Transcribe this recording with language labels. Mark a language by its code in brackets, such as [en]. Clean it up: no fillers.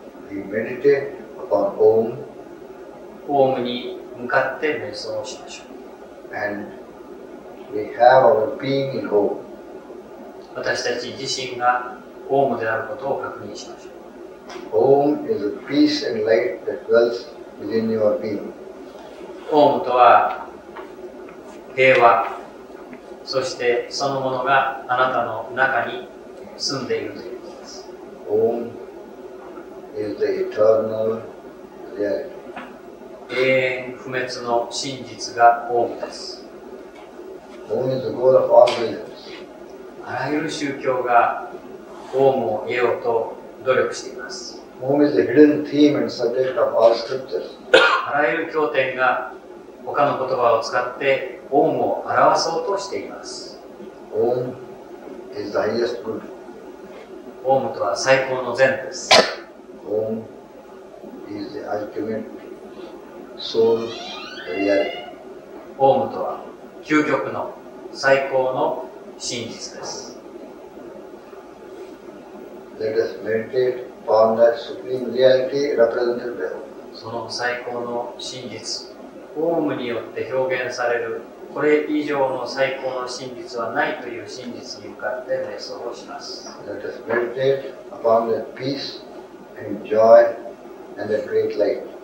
[en] We meditate upon Om。 [ja] オウムに向かって瞑想をしましょう。 [en] And we have our being in Om。 [ja] 私たち自身がオウムであることを確認しましょう。 [en] Om is a peace and light that dwells within your being。 [ja] オウムとは平和。そしてそのものがあなたの中に住んでいるということです。 [en] Om is the eternal reality。 [ja] 永遠不滅の真実が Om です。 [en] Om is the goal of all religions。 [ja] あらゆる宗教が Om を得ようと努力しています。 [en] Om is the hidden theme and subject of all scriptures。 [ja] あらゆる経典が他の言葉を使ってオウムを表そうとしています。 [en] Om is the highest good。 [ja] オウムとは最高の善です。 [en] Om is the ultimate soul reality。 [ja] オウムとは究極の最高の真実です。 [en] Let us meditate upon that supreme reality represented by Om。 [ja] その最高の真実、オウムによって表現される、これ以上の最高の真実はないという真実に向かって瞑想をします。 [en] Let us meditate upon the peace and joy and the great light。